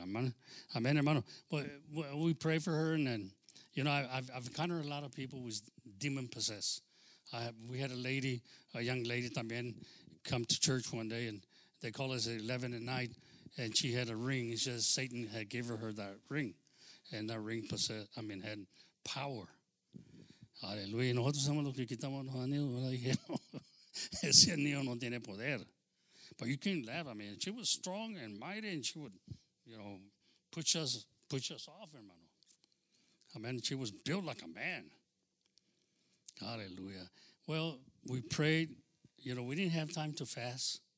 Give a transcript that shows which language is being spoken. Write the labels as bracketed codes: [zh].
[en] Amen, hermano. But we pray for her. And then, you know, I've encountered a lot of people who's demon possessed. We had a young lady [es] también [en] come to church one day, and they called us at 11 at night, and she had a ring. It's just Satan had given her that ring, and that ring had power. [es] Aleluya. Nosotros somos los que quitamos los anillos, ¿verdad? Ese anillo no tiene poder. [en] But you can't laugh. I mean, she was strong and mighty, and she would, you know, push us off, hermano. I mean, she was built like a man. Aleluya. Well, we prayed. You know, we didn't have time to fast.